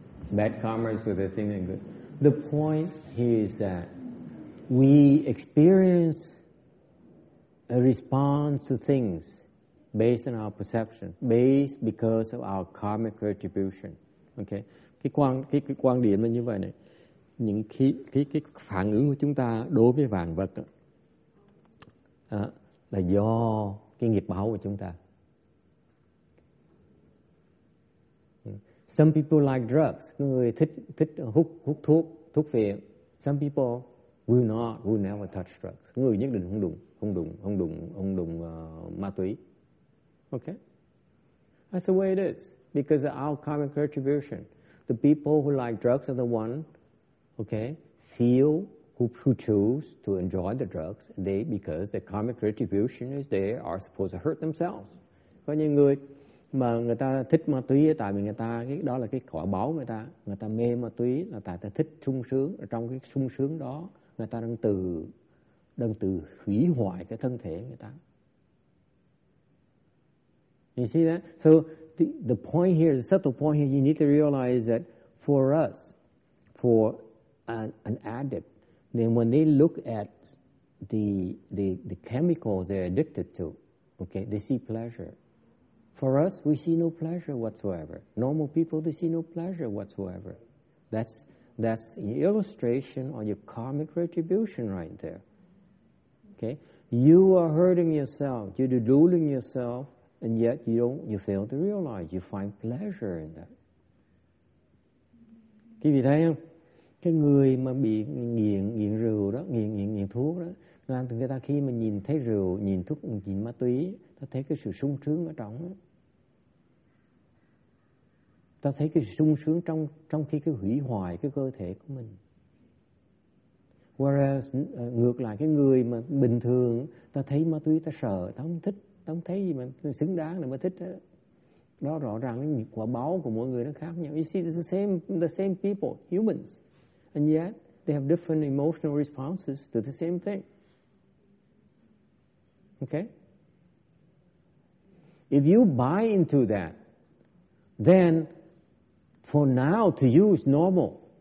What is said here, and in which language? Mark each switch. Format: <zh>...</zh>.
<en>Bad karma is with the thing and good. The point here is that we experience a response to things based on our perception, based because of our karmic retribution.</en> <vi>Okay, cái quan điểm là như vậy này. Những cái phản ứng của chúng ta đối với vạn vật đó, là do cái nghiệp báo của chúng ta.</vi> <en>Some people like drugs.</en> <vi>Người thích hút thuốc, thuốc phiện.</vi> <en>Some people will never touch drugs.</en> <vi>Người nhất định không đụng ma túy.</vi> <en>Okay? That's the way it is. Because of our karmic retribution. The people who like drugs are the one, okay, who choose to enjoy the drugs, because the karmic retribution is they are supposed to hurt themselves.</en> <vi>Có những người mà người ta thích ma túy tại vì người ta đó là cái quả báo người ta. Người ta mê ma túy là tại ta thích sung sướng. Trong cái sung sướng đó, người ta đang từ hủy hoại cái thân thể người ta.</vi> <en>You see that? So the point here, the subtle point here, you need to realize that for us, for an addict, then when they look at the chemicals they're addicted to, okay, they see pleasure. For us, we see no pleasure whatsoever. Normal people, they see no pleasure whatsoever. That's an illustration of your karmic retribution right there. Okay? You are hurting yourself. You're deluding yourself. And yet you fail to realize, you find pleasure in that.</en> <vi>Quý vị thấy không? Cái người mà bị nghiện rượu đó, nghiện thuốc đó, là người ta khi mà nhìn thấy rượu, nhìn thuốc, nhìn ma túy, ta thấy cái sự sung sướng ở trong, ta thấy cái sung sướng trong trong khi cái hủy hoại cái cơ thể của mình. Whereas ngược lại cái người mà bình thường ta thấy ma túy ta sợ, ta không thích, ta không thấy gì mà xứng đáng để mà thích đó. Đó rõ ràng là quả báo của mỗi người nó khác nhau.</vi> <en>You see, it's the same people, humans, and yet they have different emotional responses to the same thing. Okay? If you buy into that, then for now to you is normal.</en>